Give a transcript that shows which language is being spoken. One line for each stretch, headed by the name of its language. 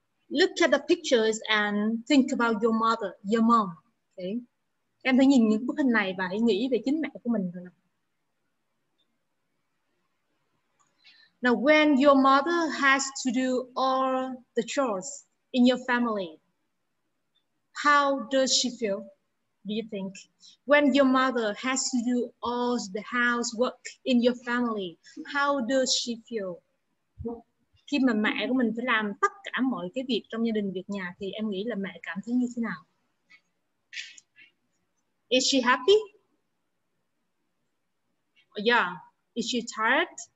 English: Look at the pictures and think about your mother, your mom. Okay.
Vietnamese: Em hãy nhìn những bức hình này và hãy nghĩ về chính mẹ của mình thôi.
English: Now, when your mother has to do all the chores in your family, how does she feel, do you think? When your mother has to do all the housework in your family, how does she feel?
Vietnamese: Khi mà mẹ của mình phải làm tất cả mọi cái việc trong gia đình, việc nhà, thì em nghĩ là mẹ cảm thấy như thế nào?
English: Is she happy? Yeah. Is she tired?